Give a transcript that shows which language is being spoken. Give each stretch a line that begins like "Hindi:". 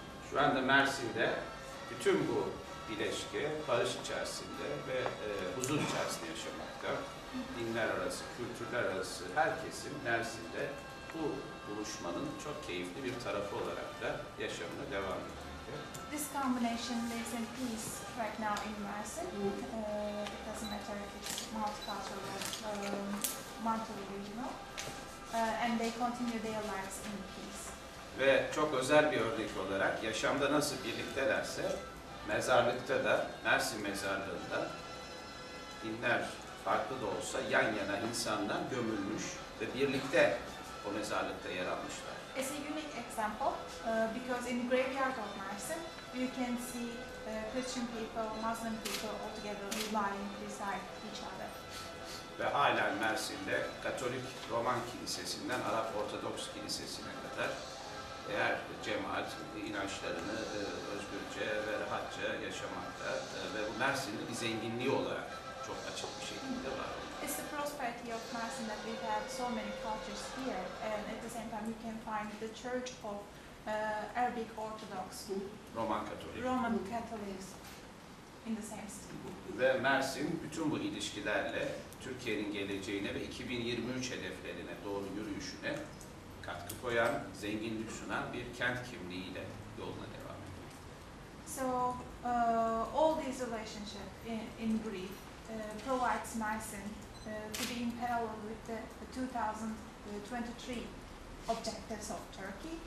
Turkish: Şu anda Mersin'de bütün bu bileşke barış içerisinde ve huzur içerisinde yaşamakta. Dinler arası, kültürler arası herkesin Mersin'de bu buluşmanın çok keyifli bir tarafı olarak da yaşamına devam ediyor.
English: This combination lives in peace right now in Mersin. It doesn't matter if it's multicultural or multi-regional. And they continue their lives in peace.
Turkish: Ve çok özel bir örnek olarak yaşamda nasıl birliktelerse mezarlıkta da Mersin mezarlığında dinler farklı da olsa yan yana insandan gömülmüş ve birlikte o mezarlıkta yer almışlar.
English: It's a unique example because in the graveyard of Mersin you can see Christian people, Muslim people all together lying beside each other.
Turkish: Ve halen Mersin'de Katolik Roman Kilisesi'nden Arap Ortodoks Kilisesi'ne kadar eğer cemaat inançlarını özgürce ve rahatça yaşamakta ve bu Mersin'in bir zenginliği olarak çok açık bir şekilde var.
English: It's the prosperity of Mersin that we have so many cultures here and at the same time you can find the Church of Arabic Orthodox
Turkish: Roman Katolik.
English: Roman Catholics in the same city.
Turkish: Ve Mersin bütün bu ilişkilerle Türkiye'nin geleceğine ve 2023 hedeflerine doğru yürüyüşüne katkı koyan, zenginlik sunan bir kent kimliğiyle yoluna devam ediyor.
English: So, all these relationships in brief provides Mersin to be in parallel with the 2023 objectives of Turkey.